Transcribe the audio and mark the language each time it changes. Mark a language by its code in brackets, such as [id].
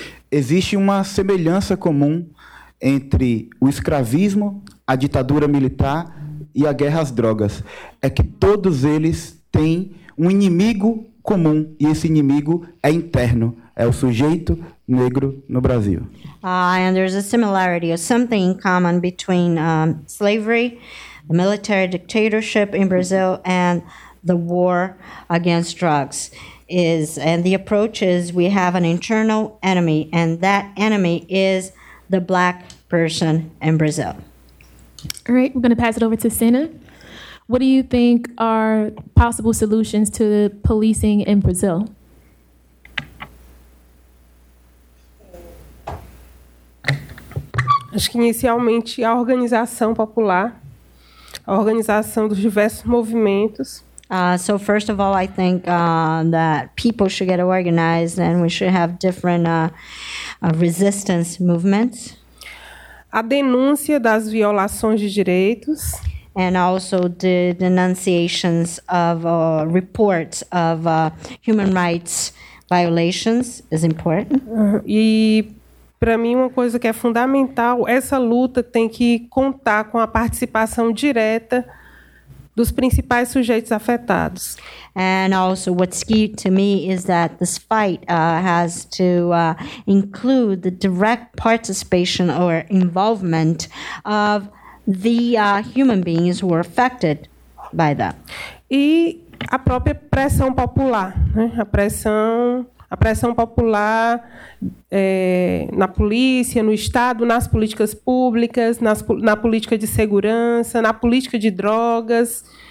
[pt] Existe uma semelhança comum entre o escravismo, a ditadura militar e a guerra às drogas. É que todos eles têm um inimigo comum, e esse inimigo é interno, é o sujeito negro no Brasil. [en] And there's a similarity, or something in common between slavery, the military dictatorship in Brazil, and the war against drugs. And the approach is we have an internal enemy, and that enemy is the black person in Brazil. All right, we're going to pass it over to Sena. What do you think are possible solutions to policing in Brazil? [pt] Acho que inicialmente a organização popular, a organização dos diversos movimentos. [en] So first of all, I think that people should get organized and we should have different resistance movements. [pt] A denúncia das violações de direitos. [en] And also the denunciations of reports of human rights violations is important. [pt] E para mim uma coisa que é fundamental, essa luta tem que contar com a participação direta dos principais sujeitos afetados. [en] And also what's key to me is that this fight has to include the direct participation or involvement of the human beings who were affected by that. [pt] E a própria pressão popular, né? A pressão popular na polícia, no Estado, nas políticas públicas, na política de segurança, na política de drogas.